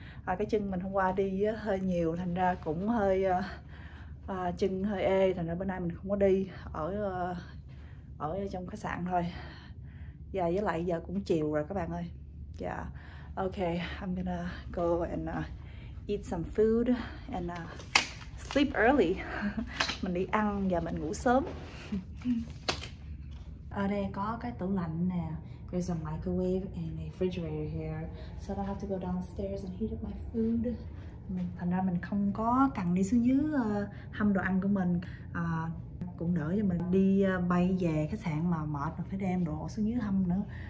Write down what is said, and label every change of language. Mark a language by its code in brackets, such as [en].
[vi] Cái chân mình hôm qua đi hơi nhiều, thành ra cũng hơi chân hơi ê, thành ra bữa nay mình không có đi, ở trong khách sạn thôi. Yeah, với lại giờ cũng chiều rồi các bạn ơi. [en] Yeah, okay, I'm gonna go and eat some food and sleep early. [vi] Mình đi ăn và mình ngủ sớm. Ở đây có cái tủ lạnh nè. [en] There's a microwave and a refrigerator here, so I don't have to go downstairs and heat up my food. [vi] Thành ra mình không có cần đi xuống dưới hâm đồ ăn của mình. Cũng đỡ cho mình đi bay về khách sạn mà mệt mà phải đem đồ xuống dưới hâm nữa.